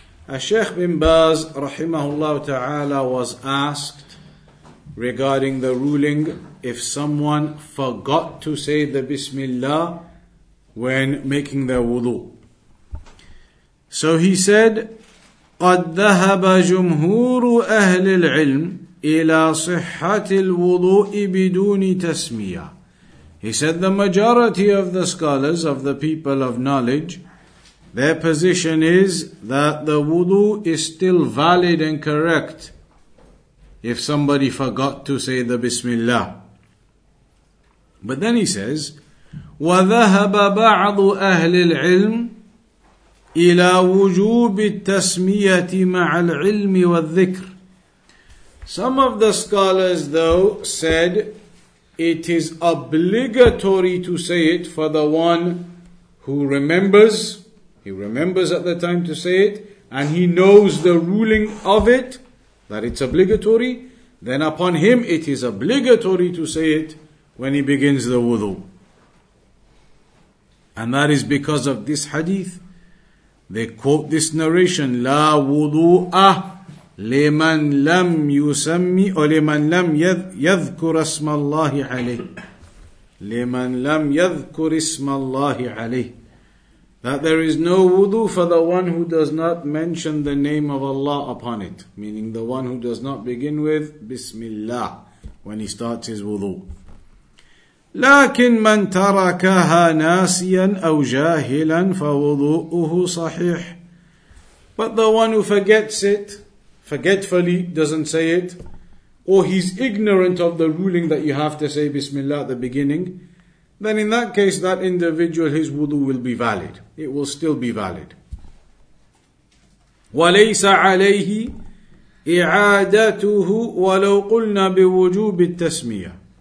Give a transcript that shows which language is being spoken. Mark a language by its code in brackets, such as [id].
[en] الشيخ بن باز [ar] رحمه الله تعالى [en] was asked regarding the ruling if someone forgot to say the Bismillah when making their wudu. So he said, [ar] قد ذهب جمهور أهل العلم إلى صحة الوضوء بدون تسمية. [en] He said the majority of the scholars, of the people of knowledge, their position is that the wudu is still valid and correct if somebody forgot to say the Bismillah. But then he says, [ar] وَذَهَبَ بَعْضُ أَهْلِ الْعِلْمِ إِلَى وُجُوبِ التَّسْمِيَةِ مَعَ الْعِلْمِ وَالذِّكْرِ. [en] Some of the scholars though said it is obligatory to say it for the one who remembers. He remembers at the time to say it and he knows the ruling of it, that it's obligatory. Then upon him it is obligatory to say it when he begins the wudu. And that is because of this hadith. They quote this narration, [ar] La wudu'a لمن لم يسمي أو لمن لم يذكر اسم الله عليه. لمن لم يذكر اسم الله عليه. [en] That there is no wudu for the one who does not mention the name of Allah upon it. Meaning the one who does not begin with Bismillah when he starts his wudu. [ar] لكن من تركها ناسيا أو جاهلا فوضوءه صحيح. [en] But the one who forgets it, forgetfully doesn't say it, or he's ignorant of the ruling that you have to say Bismillah at the beginning, then in that case, that individual, his wudu will be valid. It will still be valid. [ar] وَلَيْسَ عَلَيْهِ إِعَادَتُهُ وَلَوْ قُلْنَا بِوُجُوبِ التَّسْمِيَةِ.